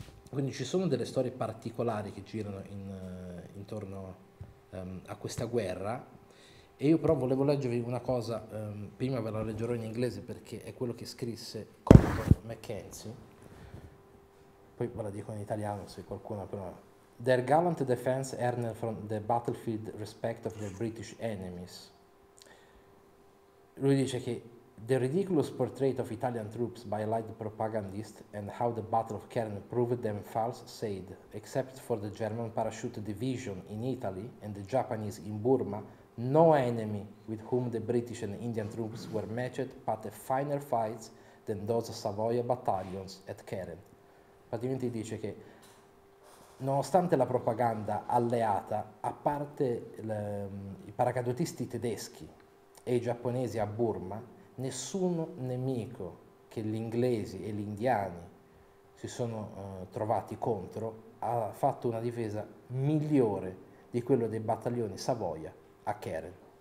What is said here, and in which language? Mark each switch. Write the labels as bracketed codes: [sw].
[it] Quindi ci sono delle storie particolari che girano intorno a questa guerra, e io però volevo leggervi una cosa, prima ve la leggerò in inglese perché è quello che scrisse Colton Mackenzie, poi ve la dico in italiano se qualcuno però. [en] Their gallant defense earned from the battlefield respect of the British enemies. [it] Lui dice che [en] the ridiculous portrait of Italian troops by Allied propagandists and how the Battle of Cairn proved them false, said, except for the German parachute division in Italy and the Japanese in Burma, no enemy with whom the British and Indian troops were matched but a finer fight than those Savoia battalions at Cairn. [it] Praticamente dice che nonostante la propaganda alleata, a parte i paracadutisti tedeschi e i giapponesi a Burma, nessun nemico che gli inglesi e gli indiani si sono trovati contro, ha fatto una difesa migliore di quello dei battaglioni Savoia a Keren.